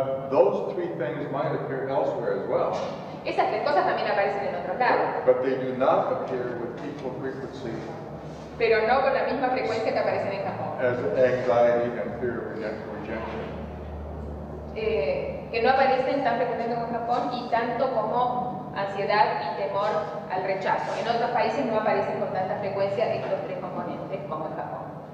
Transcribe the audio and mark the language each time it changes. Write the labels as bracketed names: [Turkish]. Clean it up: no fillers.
[English] Those three things might appear elsewhere as well. [Spanish] Esas tres cosas también aparecen en otro lado. [English] But they do not appear with equal frequency. [Spanish] Pero no con la misma frecuencia que aparecen en Japón. [English] As anxiety and fear of rejection. [Spanish] Que no aparecen tan frecuentemente como en Japón y tanto como ansiedad y temor al rechazo. En otros países no aparecen con tanta frecuencia estos tres componentes como en Japón.